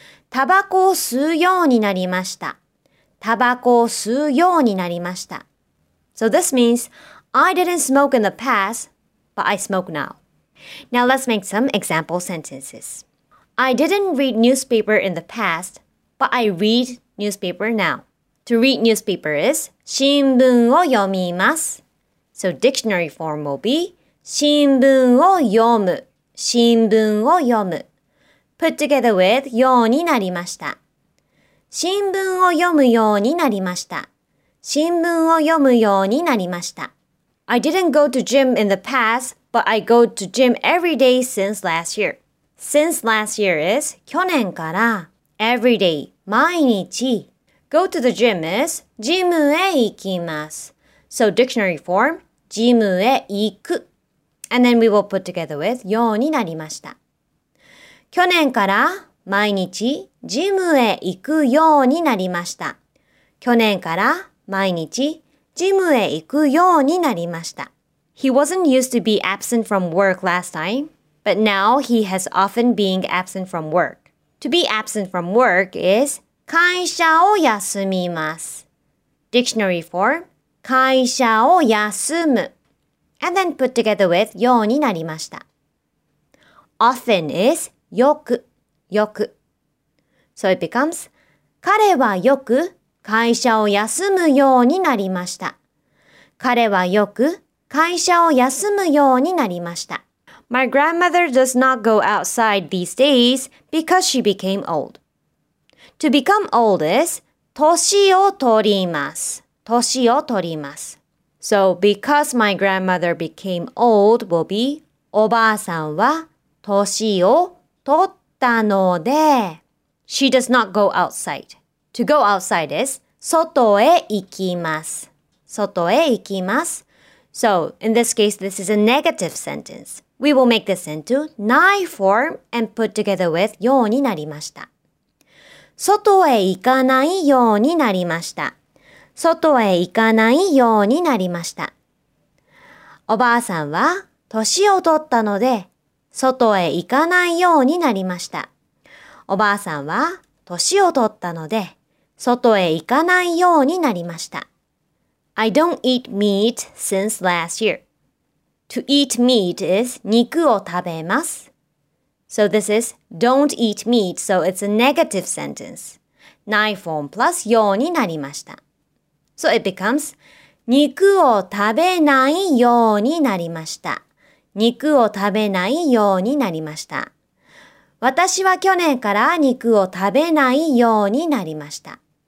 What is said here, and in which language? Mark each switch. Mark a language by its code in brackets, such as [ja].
[ja] タバコを吸うようになりました。タバコを吸うようになりました。 [en] So this means, I didn't smoke in the past, but I smoke now. Now let's make some example sentences. I didn't read newspaper in the past, but I read newspaper now. To read newspaper is [ja] 新聞を読みます。 [en] So dictionary form will be [ja] 新聞を読む。新聞を読む。 [en] Put together with [ja] ようになりました。新聞を読むようになりました。新聞を読むようになりました。 [en] I didn't go to gym in the past, but I go to gym every day since last year. Since last year is [ja] 去年から [en] every day [ja] 毎日 [en] go to the gym is [ja] ジムへ行きます。 [en] So dictionary form [ja] ジムへ行く [en] and then we will put together with [ja] ようになりました。去年から毎日ジムへ行くようになりました。去年から毎日ジムへ行くようになりました。 [en] He wasn't used to be absent from work last time, but now he has often been absent from work. To be absent from work is [ja] 会社を休みます。 [en] Dictionary form [ja] 会社を休む。 [en] And then put together with [ja] ようになりました。 [en] Often is よく、よく。So it becomes [ja] 彼はよく会社を休むようになりました。彼はよく会社を休むようになりました。 [en] My grandmother does not go outside these days because she became old. To become old is [ja] 歳を取ります。歳を取ります。 [en] So because my grandmother became old will be [ja] おばあさんは歳を取ったので [en] She does not go outside. To go outside is [ja] 外へ行きます。外へ行きます。 [en] So, in this case, this is a negative sentence. We will make this into nai form and put together with [ja] ようになりました。外へ行かないようになりました。外へ行かないようになりました。おばあさんは歳を取ったので、外へ行かないようになりました。おばあさんは歳を取ったので、外へ行かないようになりました。 [en] I don't eat meat since last year. To eat meat is [ja] 肉を食べます。 [en] So this is don't eat meat, so it's a negative sentence. Nai form plus [ja] ようになりました。 [en] So it becomes [ja] 肉を食べないようになりました。肉を食べないようになりました。私は去年から肉を食べないようになりました。